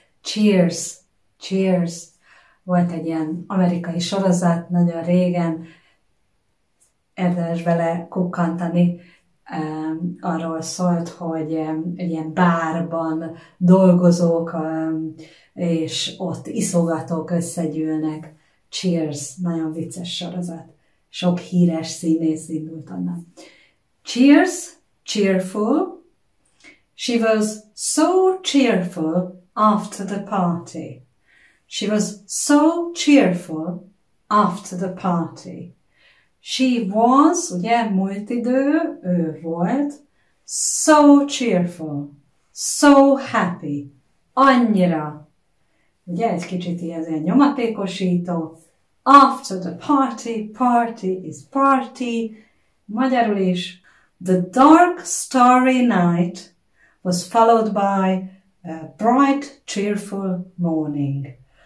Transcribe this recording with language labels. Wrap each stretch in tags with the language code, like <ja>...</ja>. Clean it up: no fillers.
<en>Cheers, cheers.</en> <hu>Volt egy ilyen amerikai sorozat, nagyon régen, érdemes vele kukkantani, arról szólt, hogy egy ilyen bárban dolgozók, és ott iszogatók összegyűlnek. Cheers, nagyon vicces sorozat. Sok híres színész indult annak.</hu> <en>Cheers, cheerful. She was so cheerful after the party. She was so cheerful after the party. She was,</en> <hu>ugye, múltidő, ő volt,</hu> <en>so cheerful, so happy,</en> <hu>annyira. Ugye, egy kicsit ilyen nyomatékosító.</hu> <en>After the party, party is party.</en> <hu>Magyarul is.</hu> <en>The dark, starry night was followed by a bright, cheerful morning.</en>